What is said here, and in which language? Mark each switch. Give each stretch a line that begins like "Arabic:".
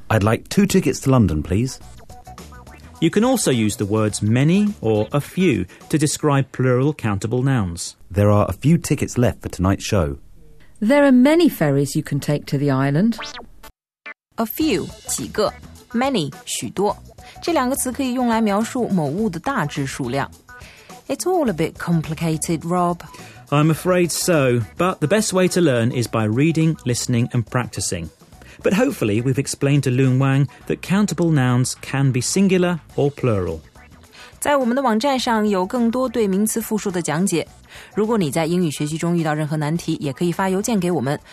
English: I'd like two tickets to London, please. You can also use the words many or a few to describe plural countable nouns. There are a few tickets left for tonight's show. There are many ferries you can take to the island. A few,
Chinese: 几个many, 许多。这两个词可以用来描述某物的大致数量。
English: It's all a bit complicated, Rob. I'm afraid so, but the best way to learn is by reading, listening and practicing. But hopefully we've explained to Loon Wang that countable nouns can be singular or plural.
Chinese: 在我们的网站上有更多对名词复数的讲解。如果你在英语学习中遇到任何难题，也可以发邮件给我们。